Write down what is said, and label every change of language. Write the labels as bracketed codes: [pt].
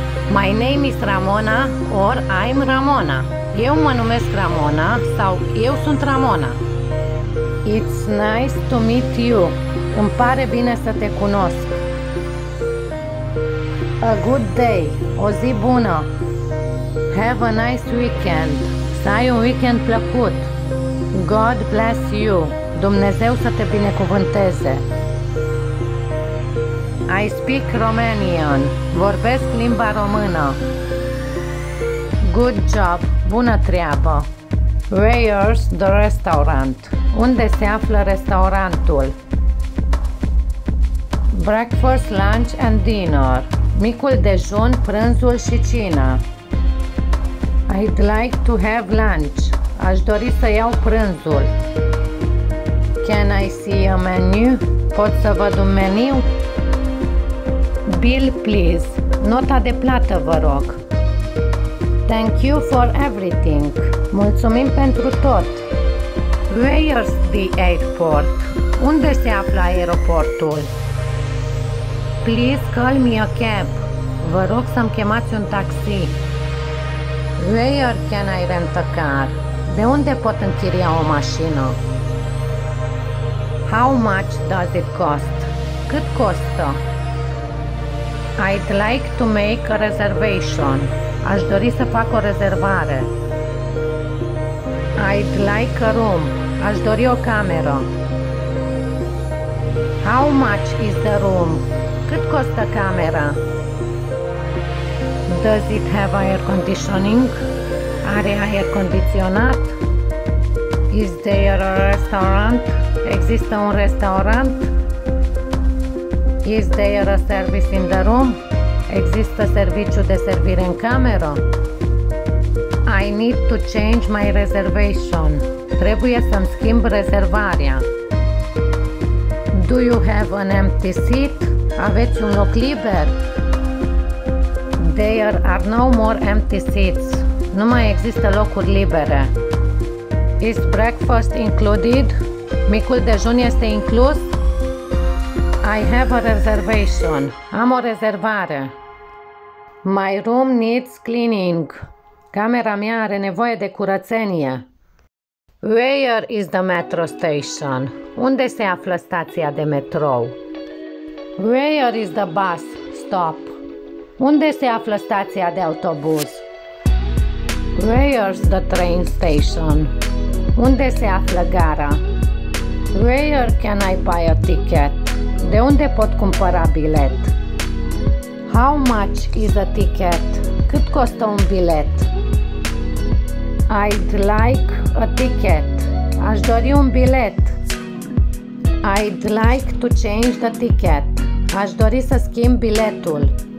[en] My name is Ramona or I'm Ramona. [ro] Eu mă numesc Ramona sau eu sunt Ramona. [en] It's nice to meet you. [ro] Îmi pare bine să te cunosc. [en] A good day. [ro] O zi bună. [en] Have a nice weekend. [ro] Să ai un weekend plăcut. [en] God bless you. [ro] Dumnezeu să te binecuvânteze. [en] I speak Romanian. [ro] Vorbesc limba română. [en] Good job. [ro] Bună treabă. [en] Where's the restaurant? [ro] Unde se află restaurantul? [en] Breakfast, lunch and dinner. [ro] Micul dejun, prânzul și cina. [en] I'd like to have lunch. [ro] Aș dori să iau prânzul. [en] Can I see a menu? [ro] Pot să văd un meniu? [en] Bill, please. [ro] Nota de plată, vă rog. [en] Thank you for everything. [ro] Mulțumim pentru tot. [en] Where's the airport? [ro] Unde se află aeroportul? [en] Please call me a cab. [ro] Vă rog să-mi chemați un taxi. [en] Where can I rent a car? [ro] De unde pot închiria o mașină? [en] How much does it cost? [ro] Cât costă? [en] I'd like to make a reservation. [ro] Aș dori să fac o rezervare. [en] I'd like a room. [ro] Aș dori o cameră. [en] How much is the room? [ro] Cât costă camera? [en] Does it have air conditioning? [ro] Are aer condiționat? [en] Is there a restaurant? [ro] Există un restaurant? [en] Is there a service in the room? [ro] Există serviciu de servire în cameră? [en] I need to change my reservation. [ro] Trebuie să-mi schimb rezervarea. [en] Do you have an empty seat? [ro] Aveți un loc liber? [en] There are no more empty seats. [ro] Nu mai există locuri libere. [en] Is breakfast included? [ro] Micul dejun este inclus? [en] I have a reservation. [ro] Am o rezervare. [en] My room needs cleaning. [ro] Camera mea are nevoie de curățenie. [en] Where is the metro station? [ro] Unde se află stația de metrou? [en] Where is the bus stop? [ro] Unde se află stația de autobuz? [en] Where's the train station? [ro] Unde se află gara? [en] Where can I buy a ticket? [ro] De unde pot cumpăra bilet? [en] How much is a ticket? [ro] Cât costă un bilet? [en] I'd like a ticket. [ro] Aș dori un bilet. [en] I'd like to change the ticket. [ro] Aș dori să schimb biletul.